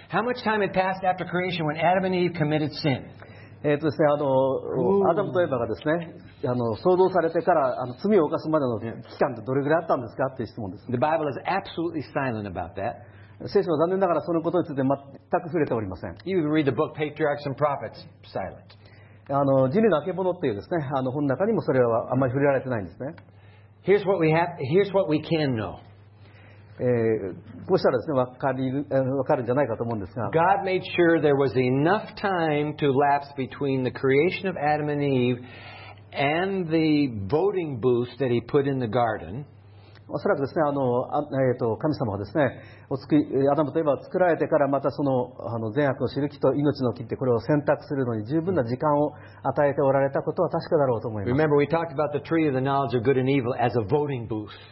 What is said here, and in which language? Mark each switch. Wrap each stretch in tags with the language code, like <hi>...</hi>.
<en>How much time had passed after creation when Adam and Eve committed sin?</en> <ja>ですね、アダムとエヴァがですね、創造されてから罪を犯すまでの期間ってどれぐらいあったんですかっていう質問です。</ja> <en>The Bible is absolutely silent about that.</en> <ja>聖書は残念ながらそのことについて全く触れておりません。</ja> <en>You read the book Patriarchs and Prophets, silent.</en> <ja>人類の曙っていうですね、本の中にもそれはあんまり触れられてないんですね。</ja> <en>Here's what we have. Here's what we can know.</en> <ja>こうしたらですね、わかるんじゃないかと思うんですが。</ja> <en>God made sure there was enough time to lapse between the creation of Adam and Eve and the voting booth that He put in the garden.</en> <ja>おそらくですね、神様はですね、アダムとエヴァを作られてからまたその、善悪を知る木と命の木ってこれを選択するのに十分な時間を与えておられたことは確かだろうと思います。</ja> <en>Remember, we talked about the tree of the knowledge of good and evil as a voting booth.</en>